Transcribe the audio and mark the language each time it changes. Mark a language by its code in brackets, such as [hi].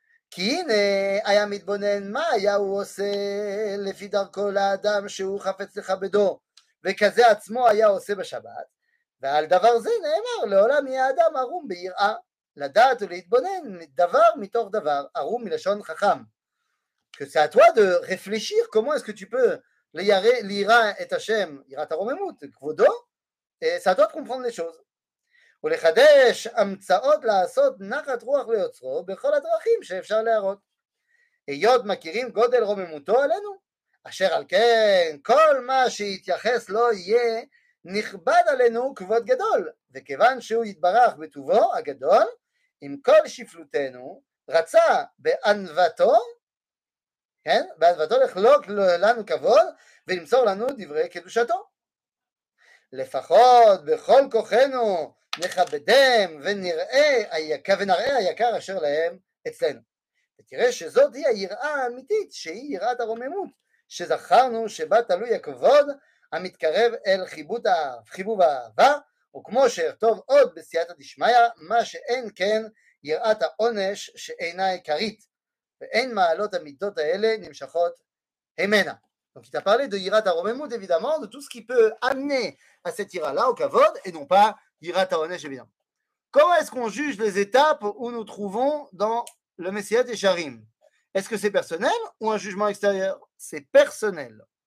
[he] כי הנה היה מתבונן מה היה הוא עושה לפי דרכו לאדם שהוא חפץ לכבדו, וכזה עצמו היה עושה בשבת. ועל דבר זה נאמר, לעולם יהיה אדם ערום ביראה, לדעת ולהתבונן דבר מתוך דבר, ערום מלשון חכם. [fr] C'est à toi de réfléchir comment est-ce que tu peux lire [he] את השם, יראת הרוממות, כבודו, [fr] c'est à toi de comprendre les choses. [he] ולחדש המצאות לעשות נחת רוח ליוצרו בכל הדרכים שאפשר להראות. היות מכירים גודל רוממותו עלינו, אשר על כן כל מה שיתייחס לו יהיה נכבד עלינו כבוד גדול, וכיוון שהוא יתברך בטובו הגדול, עם כל שפלותנו, רצה בענוותו, כן? בענוותו לחלוק לנו כבוד, ולמסור לנו דברי קדושתו. לפחות בכל כוחנו נכבדם ונראה היקר אשר להם אצלנו. ותראה שזאת היא היראה האמיתית, שהיא יראת הרוממות, שזכרנו שבה תלוי הכבוד, המתקרב אל חיבוב האהבה, וכמו שאכתוב עוד בסייעתא דשמיא, מה שאין כן יראת העונש שאינה עיקרית, ואין מעלות המידות האלה נמשכות הימנה. [fr] Donc, il a parlé de יראת הרוממות, évidemment, de tout ce qui peut amener à cette יראה-là, au כבוד, et non pas יראת העונש, évidemment. Comment est-ce qu'on juge les étapes où nous trouvons dans le Messiat Yesharim? Est-ce que c'est personnel ou un jugement extérieur? C'est personnel.